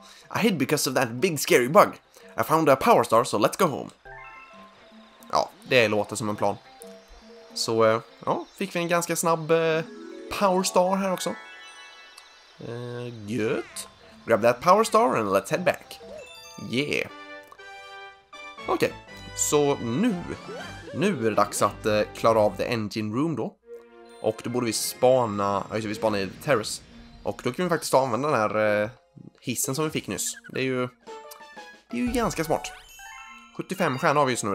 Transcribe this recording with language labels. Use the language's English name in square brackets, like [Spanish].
[English] I hid because of that big scary bug. I found a power star, so let's go home. [Swedish] Ja, det låter som en plan. Så, ja, fick vi en ganska snabb power star här också. Gött. [English] Grab that power star and let's head back. [Swedish] Yeah. Okej, okay. Så nu. Nu är det dags att klara av [English] the engine room [Swedish] då. Och då borde vi spana... ja, just, vi spanar i [English] the terrace. [Swedish] Och då kan vi faktiskt använda den här hissen som vi fick nyss. Det är ju ganska smart. 75 stjärnor har vi just nu.